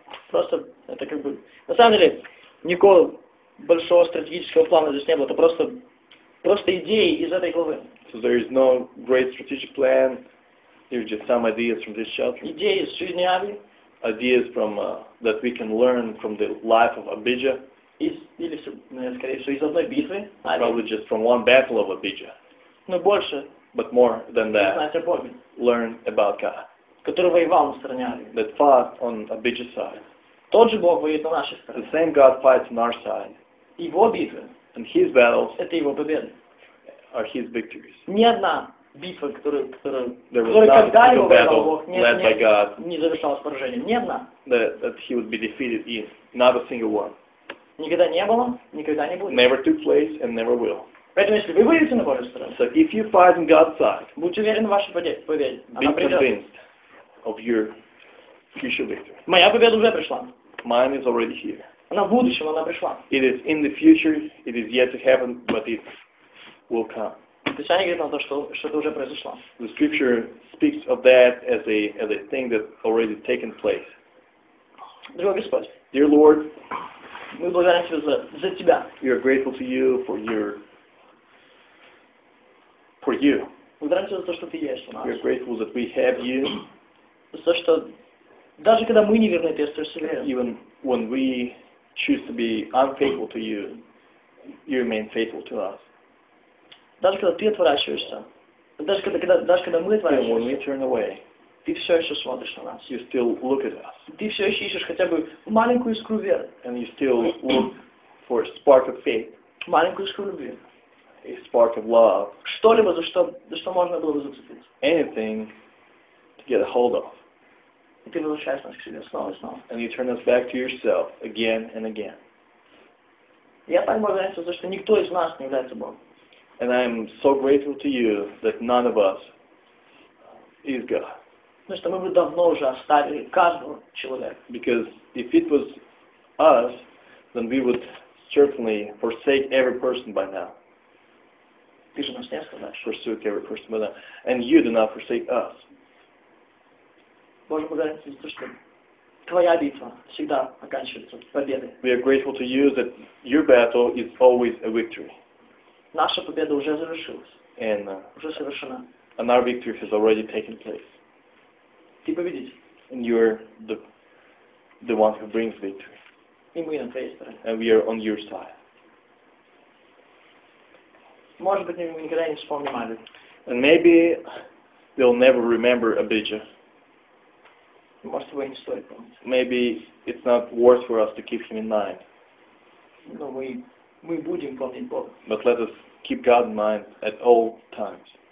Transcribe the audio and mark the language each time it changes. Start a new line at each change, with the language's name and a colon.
Russian: Просто это как бы на самом деле никакого большого стратегического плана здесь не было. Это просто идеи из этой главы.
English: So there is no great strategic plan. Here's just some ideas from this chapter. Ideas from
Russian: жизни Абии.
English: Ideas from that we can learn from the life of Abijah.
Russian: Или, скорее всего, из одной битвы.
English: Probably just from one battle of Abijah.
Russian: Но больше.
English: But more than that.
Russian: Знать о Боге.
English: Learn about God.
Russian: Который воевал на стороне Ави.
English: That fought on Abijah's side.
Russian: Тот же Бог воюет на нашей стороне.
English: The same God fights on our side.
Russian: Его битвы.
English: And his battles.
Russian: Это его победы.
English: Are his victories.
Russian: Ни одна битва, которая когда-либо воевал Бог, не завершалась поражением. Ни одна.
English: That he would be defeated in. Not a single one.
Russian: Никогда не было, никогда не будет.
English: Never took place and never will.
Russian: Поэтому если вы выйдете на Божью сторону,
English: so if you fight on God's side,
Russian: будьте уверены в вашей победе.
English: Be convinced of your future victory.
Russian: Моя победа уже пришла.
English: Mine is already here.
Russian: Она в будущем, она пришла.
English: It is in the future, it is yet to happen, but it will come.
Russian: Писание говорит о том, что что-то уже произошло.
English: The scripture speaks of that as a thing that already taken place.
Russian: Дорогой Господь.
English: Dear Lord.
Russian: Мы благодарим Тебя за Тебя.
English: We are grateful to you for you.
Russian: Благодарим Тебя за то, что Ты есть у нас.
English: We are grateful that we have you.
Russian: За то, что даже когда мы неверны, Ты остаешься верен.
English: Even when we choose to be unfaithful to you, you remain faithful to us.
Russian: Даже когда Ты отворачиваешься, даже когда мы отворачиваемся.
English: Even when we turn away.
Russian: Ты все еще смотришь на нас.
English: You still look at us.
Russian: Ты все еще ищешь хотя бы маленькую искру веры.
English: And you still look for a spark of faith.
Russian: Маленькую искру любви.
English: A spark of love.
Russian: Что-либо, за что можно было бы зацепиться.
English: Anything to get a hold of.
Russian: И ты возвращаешь нас к себе снова и снова.
English: And you turn us back to yourself again and again.
Russian: Я так благодарен за то, что никто из нас не является Богом.
English: And I am so grateful to you that none of us is God.
Russian: Потому что мы бы давно уже оставили каждого человека.
English: Because if it was us, then we would certainly forsake every person by now.
Russian: Ты же нас не оставляешь.
English: Forsake every person by now. And you do not forsake us.
Russian: Боже, благодарим Тебя за то, что Твоя битва всегда оканчивается победой.
English: We are grateful to you that your battle is always a victory.
Russian: Наша победа уже завершилась.
English: And,
Russian: уже совершена.
English: And our victory has already taken place.
Russian: Ты победитель.
English: And you're the one who brings victory.
Russian: И мы на твоей стороне.
English: And we are on your side.
Russian: Может быть, мы никогда не вспомним Абиджу.
English: And maybe they'll never remember Abijah.
Russian: Может, его не стоит помнить.
English: Maybe it's not worth for us to keep him in mind.
Russian: Но мы будем помнить Бога.
English: But let us keep God in mind at all times.